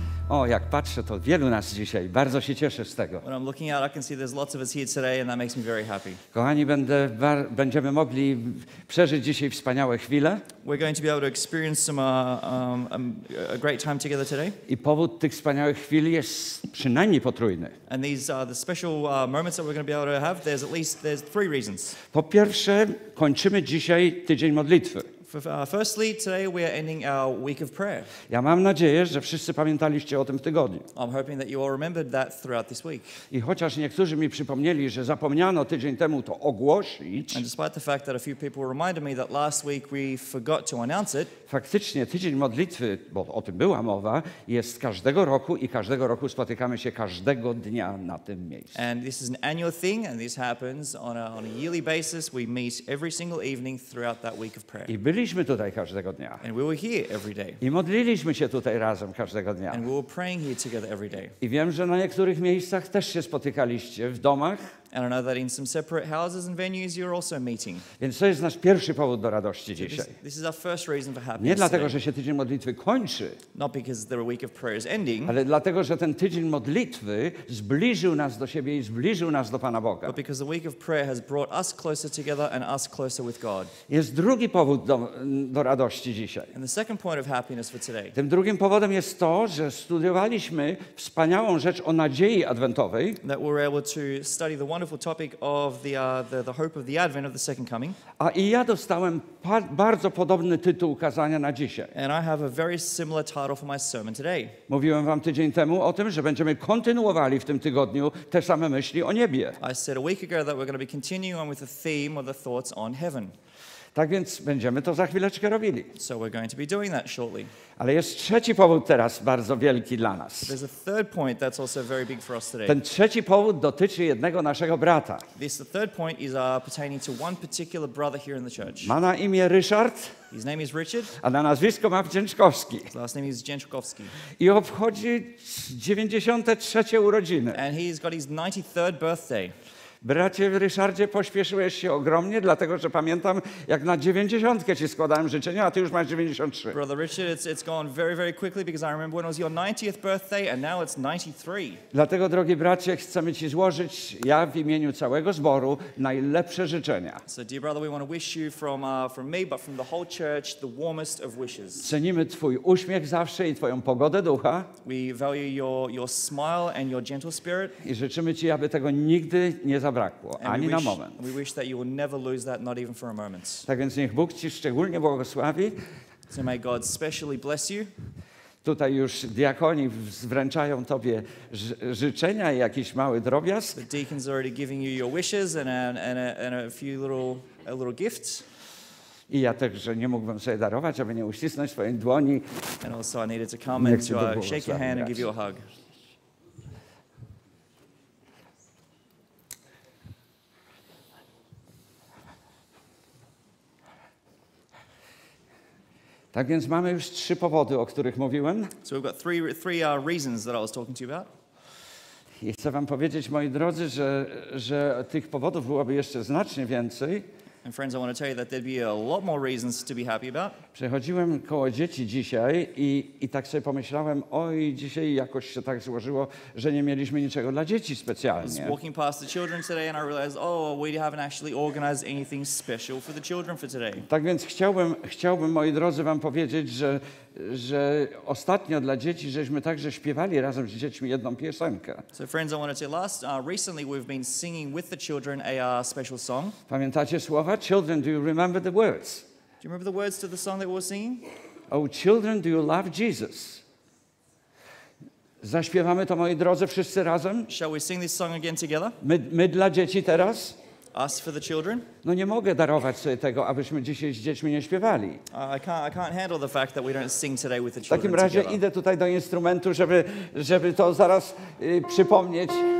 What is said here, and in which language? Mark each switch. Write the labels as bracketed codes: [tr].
[pl] O, jak patrzę, to wielu nas dzisiaj. Bardzo się cieszę z tego. [en] When I'm looking out, I can see there's lots of us here today, and that makes me very happy. [pl] Kochani, będziemy mogli przeżyć dzisiaj wspaniałe chwile. [en] We're going to be able to experience some a great time together today. [pl] I powód tych wspaniałych chwil jest przynajmniej potrójny. [en] And these are the special moments that we're going to be able to have. There's three reasons. [pl] Po pierwsze, kończymy dzisiaj tydzień modlitwy. [en] Firstly, today we are ending our week of prayer. [pl] Ja mam nadzieję, że wszyscy pamiętaliście o tym w tygodniu. [en] I'm hoping that you all remembered that throughout this week. [pl] I chociaż niektórzy mi przypomnieli, że zapomniano tydzień temu to ogłosić. [en] And despite the fact that a few people reminded me that last week we forgot to announce it. [pl] Faktycznie tydzień modlitwy, bo o tym była mowa, jest każdego roku i każdego roku spotykamy się każdego dnia na tym miejscu. [en] And this is an annual thing, and this happens on a yearly basis. We meet every single evening throughout that week of prayer. [pl] Byliśmy tutaj każdego dnia. [en] And we were here every day. [pl] I modliliśmy się tutaj razem każdego dnia. [en] And we were praying here together every day. [pl] I wiem, że na niektórych miejscach też się spotykaliście w domach. [en] And I know that in some separate houses and venues you're also meeting. [pl] Więc to jest nasz pierwszy powód do radości dzisiaj. [en] This is our first reason for happiness. [pl] Nie dlatego, [en] today. [pl] Że się tydzień modlitwy kończy. [en] Not because the week of prayer is ending. [pl] Ale dlatego, że ten tydzień modlitwy zbliżył nas do siebie i zbliżył nas do Pana Boga. [en] But because the week of prayer has brought us closer together and us closer with God. [pl] Jest drugi powód do radości dzisiaj. [en] And the second point of happiness for today. [pl] Tym drugim powodem jest to, że studiowaliśmy wspaniałą rzecz o nadziei adwentowej. [en] That we're able to study the wonderful topic of the hope of the advent of the second coming. [pl] A i ja dostałem bardzo podobny tytuł kazania na dzisiaj. [en] And I have a very similar title for my sermon today. [pl] Mówiłem wam tydzień temu o tym, że będziemy kontynuowali w tym tygodniu te same myśli o niebie. [en] I said a week ago that we're going to be continuing with the theme of the thoughts on heaven. [pl] Tak więc będziemy to za chwileczkę robili. [en] So we're going to be doing that shortly. [pl] Ale jest trzeci powód teraz bardzo wielki dla nas. [en] There's a third point that's also very big for us today. [pl] Ten trzeci powód dotyczy jednego naszego brata. [en] This the third point is pertaining to one particular brother here in the church. [pl] Ma na imię Ryszard. [en] His name is Richard. [pl] A na nazwisko ma Wdzięczkowski. [en] His last name is Dzięczkowski. [pl] I obchodzi 93. urodziny. [en] And he's got his 93rd birthday. [pl] Bracie Ryszardzie, pośpieszyłeś się ogromnie, dlatego że pamiętam, jak na 90 ci składałem życzenia, a ty już masz 93. [en] Brother Richard, it's gone very, very quickly because I remember when it was your 90th birthday and now it's 93. [pl] Dlatego, drogi bracie, chcemy ci złożyć, ja w imieniu całego zboru, najlepsze życzenia. [en] So, dear brother, we want to wish you from me, but from the whole church, the warmest of wishes. [pl] Cenimy twój uśmiech zawsze i twoją pogodę ducha. [en] We value your smile and your gentle spirit. [pl] I życzymy ci, aby tego nigdy nie zabrakło, ani na moment. [en] We wish that you will never lose that, not even for a moment. [pl] Tak więc niech Bóg ci szczególnie błogosławi. [en] So may God specially bless you. [pl] Tutaj już diakoni wręczają tobie życzenia i jakiś mały drobiazg. [en] The deacons are already giving you your wishes and a few little gifts. [pl] I ja także nie mógłbym sobie darować, aby nie uścisnąć swojej dłoni. [en] And also I needed to come and to shake your hand and give you a hug. [pl] Tak więc mamy już trzy powody, o których mówiłem. [en] So we've got three reasons that I was talking to you about. [pl] I chcę wam powiedzieć, moi drodzy, że tych powodów byłoby jeszcze znacznie więcej. [en] And friends, I want to tell you that there'd be a lot more reasons to be happy about. [pl] Przechodziłem koło dzieci dzisiaj i tak sobie pomyślałem, oj, dzisiaj jakoś się tak złożyło, że nie mieliśmy niczego dla dzieci specjalnie. [en] I was walking past the children today and I realized, oh, we haven't actually organized anything special for the children for today. [pl] Tak więc chciałbym, moi drodzy, wam powiedzieć, że ostatnio dla dzieci żeśmy także śpiewali razem z dziećmi jedną piosenkę. [en] So friends, I want to tell you, recently we've been singing with the children a special song. [pl] Pamiętacie słowa? [en] Children, do you remember the words? Do you remember the words to the song that we were singing? Oh, children, do you love Jesus? [pl] Zaśpiewamy to, moi drodzy, wszyscy razem? [en] Shall we sing this song again together? [pl] My dla dzieci teraz? [en] Us for the children? [pl] No nie mogę darować sobie tego, abyśmy dzisiaj z dziećmi nie śpiewali. [en] I can't handle the fact that we don't sing today with the children. [pl] W takim razie [en] together. [pl] Idę tutaj do instrumentu, żeby to zaraz przypomnieć.